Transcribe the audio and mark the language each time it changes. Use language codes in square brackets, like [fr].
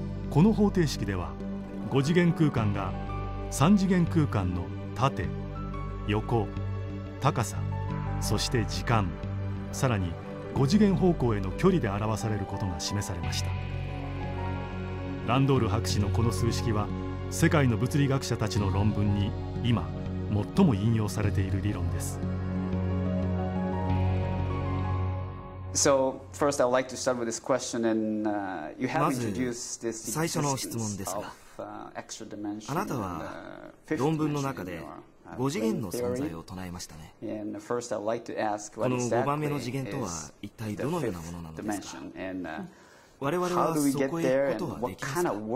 [ja] この方程式では5次元空間が3次元空間の縦、横、高さ、そして時間、さらに5次元方向への距離で表されることが示されました。ランドール博士のこの数式は世界の物理学者たちの論文に今最も引用されている理論です。 [en] So, first I'd like to start with this question and, you have introduced this [ja] 最初の質問ですが、あなたは論文の中で 5次元の存在を唱えましたね。この5番目の次元とは一体どのようなものなのですか。我々はそこへ行くことはできますか。